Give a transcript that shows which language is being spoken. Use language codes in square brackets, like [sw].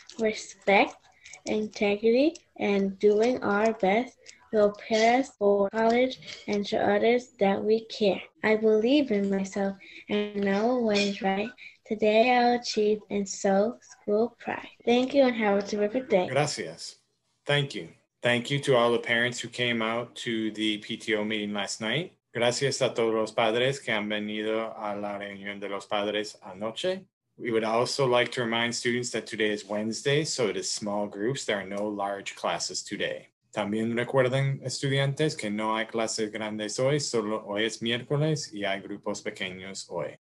[en] Respect, integrity, and doing our best will prepare us for college and show others that we care. I believe in myself and know what is right. Today I'll achieve and sow school pride. Thank you and have a terrific day. [es] Gracias. [en] Thank you. Thank you to all the parents who came out to the PTO meeting last night. [es] Gracias a todos los padres que han venido a la reunión de los padres anoche. [en] We would also like to remind students that today is Wednesday, so it is small groups. There are no large classes today. [es] También recuerden, estudiantes, que no hay clases grandes hoy, solo hoy es miércoles y hay grupos pequeños hoy.